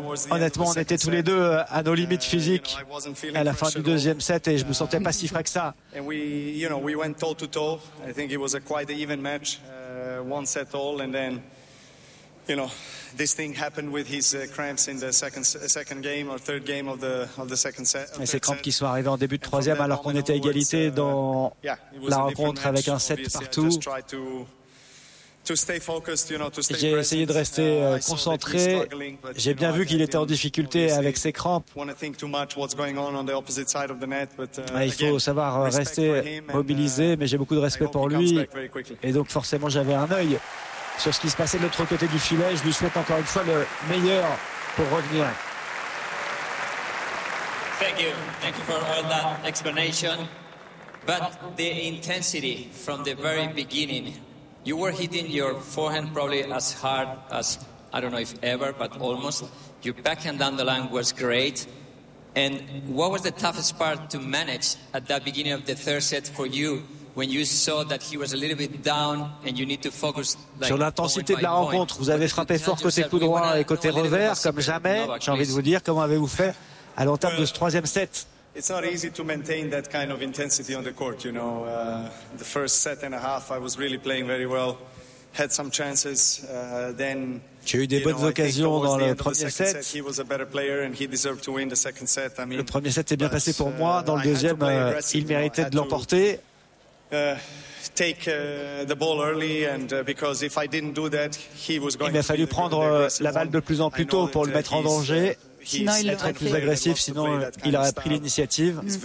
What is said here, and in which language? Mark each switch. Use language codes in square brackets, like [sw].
[fr] Honnêtement, on était tous les deux à nos limites physiques à la fin du deuxième set et je ne me sentais pas si frais que ça. [en] And we, you know, we went toe to toe. I think it was a quite even match, one set all, and then you know, this thing happened with his cramps in the second game or third game of the second set. [fr] Et ces crampes qui sont arrivées en début de troisième alors qu'on était à égalité dans la rencontre avec un set partout. J'ai essayé de rester concentré. J'ai bien vu qu'il était en difficulté avec ses crampes. Il faut savoir rester mobilisé, mais j'ai beaucoup de respect pour lui. Et donc forcément, j'avais un œil sur ce qui se passait de l'autre côté du filet. Je lui souhaite encore une fois le meilleur pour revenir. [en] Thank you for all that explanation. But the intensity from the very beginning. You were hitting your forehand probably as hard as, I don't know if ever, but almost. Your backhand down the line was great. And what was the toughest part to manage at that beginning of the third set for you when you saw that he was a little bit down and you need to focus? Like, [fr] sur l'intensité de la rencontre, vous avez frappé fort côté coup droit et côté revers, comme jamais. J'ai envie de vous dire, comment avez-vous fait à l'entame de ce troisième set? [en] It's not easy to maintain that kind of intensity on the court, you know. The first set and a half, I was really playing very well. Had some chances. Then, [fr] j'ai eu des bonnes occasions dans le premier set. [en] He was a better player and he deserved to win the second set. I mean, [fr] le premier set s'est bien passé pour moi. Dans le deuxième, il méritait de l'emporter. [en] Take the ball early and because if I didn't do that, he was going to. [fr] Il m'a fallu prendre la balle de plus en plus tôt pour le mettre en danger. Sinon, il être plus agressif, sinon il aurait pris l'initiative.